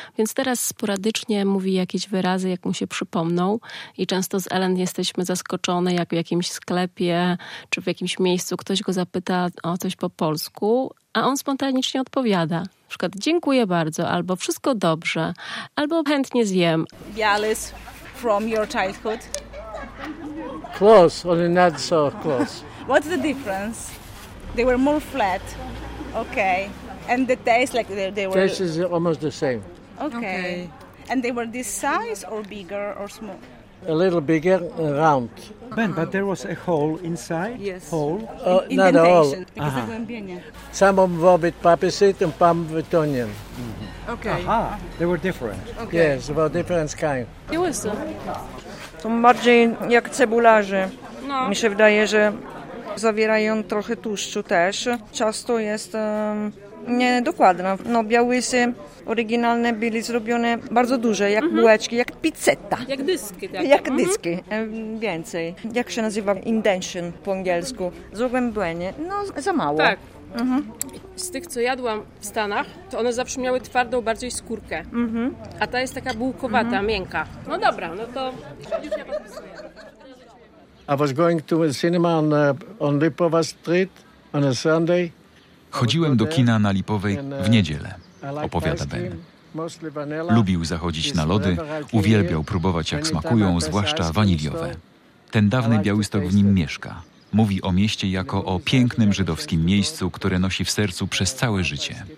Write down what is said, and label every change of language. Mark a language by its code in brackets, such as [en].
[pl] Więc teraz sporadycznie mówi jakieś wyrazy, jak mu się przypomną i często z Ellen jesteśmy zaskoczone, jak w jakimś sklepie czy w jakimś miejscu ktoś go zapyta o coś po polsku, a on spontanicznie odpowiada. Na przykład dziękuję bardzo, albo wszystko dobrze, albo chętnie zjem. [en] Bialys from your childhood? Close, only not so close. What's the difference? They were more flat, okay. And the taste, like they were... Taste is almost the same. Okay. And they were this size or bigger or small? A little bigger, round. Ben, but there was a hole inside? Yes. Hole? Not a hole. Because of ambient. Some of them were with poppy seed and some with onion. Mm-hmm. Okay. Aha, uh-huh. They were different. Okay. Yes, about different kind. It was so. [pl] To bardziej jak cebularze. No. Mi się wydaje, że... Zawierają trochę tłuszczu też. Ciasto jest niedokładne. No, białysy oryginalne byli zrobione bardzo duże, jak bułeczki, jak pizzetta. Jak dyski. Tak. Jak dyski. Więcej. Jak się nazywa indention po angielsku? Zagłębienie. No, za mało. Tak. Z tych, co jadłam w Stanach, to one zawsze miały twardą bardziej skórkę. A ta jest taka bułkowata, miękka. No dobra, no to już ja podpisuję. [en] I was going to a cinema on Lipowa Street on a Sunday. [pl] Chodziłem do kina na Lipowej w niedzielę, opowiada Ben. Lubił zachodzić na lody, uwielbiał próbować, jak smakują, zwłaszcza waniliowe. Ten dawny Białystok w nim mieszka. Mówi o mieście jako o pięknym żydowskim miejscu, które nosi w sercu przez całe życie.